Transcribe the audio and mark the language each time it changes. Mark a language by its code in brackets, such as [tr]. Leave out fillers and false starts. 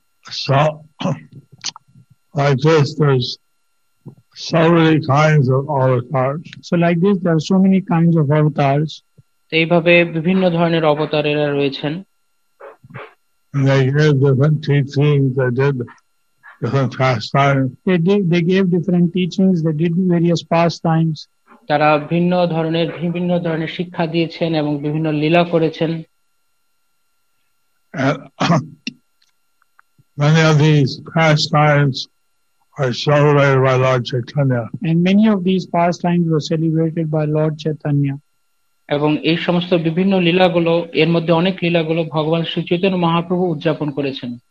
[en] So, like this, there's so many kinds of avatars. So, like this, there are so many kinds of avatars. [bn] এইভাবে বিভিন্ন ধরনের অবতারেরা রয়েছেন. [en] And they gave different teachings, they did different pastimes. They gave different teachings, they did various pastimes. [bn] তারা ভিন্ন ধরনের বিভিন্ন ধরনের শিক্ষা দিয়েছেন এবং বিভিন্ন লীলা করেছেন. [en] Many of these pastimes are celebrated by Lord Chaitanya. And many of these pastimes were celebrated by Lord Chaitanya. [bn] এবং এই সমস্ত বিভিন্ন লীলাগুলো এর মধ্যে অনেক লীলাগুলো ভগবান শ্রী চৈতন্য মহাপ্রভু উদযাপন করেছেন.